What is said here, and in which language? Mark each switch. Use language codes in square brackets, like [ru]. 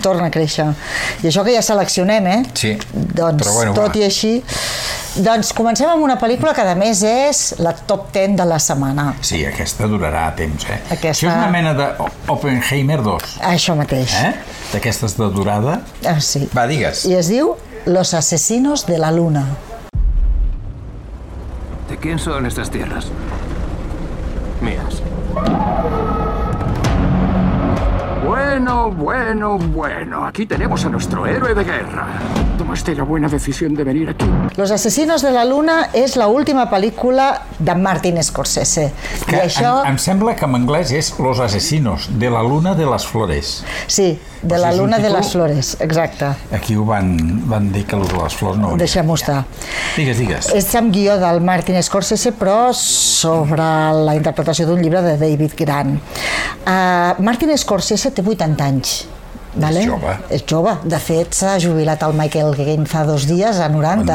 [ca] Torna a créixer. I això que ja seleccionem, eh? Sí. Doncs, però bueno, tot va. I així... Doncs comencem amb una pel·lícula que, a més, és la top 10 de la setmana. Sí, aquesta durarà temps, eh? Aquesta... Això és una mena de Oppenheimer 2. Això mateix. Eh? D'aquestes de durada. Ah, sí. Va, digues. I es diu Los asesinos de la luna. [es] ¿De quién son estas tierras? Mías. Bueno, bueno, bueno. Aquí tenemos a nuestro héroe de guerra. Tomaste la buena decisión de venir aquí. [ca] Los asesinos de la luna és la última pel·lícula de Martin Scorsese. Que i això... em sembla que en anglès és Los asesinos de la luna de las flores. Sí, de la luna de las flores, exacte. Aquí ho van dir que les flors no... Deixem-ho estar. Digues, digues. És amb guió del Martin Scorsese, però sobre la interpretació d'un llibre de David Grant. Martin Scorsese té 80 anys. Vale? És jove. És jove. De fet, s'ha jubilat el Michael Caine fa dos dies a 90.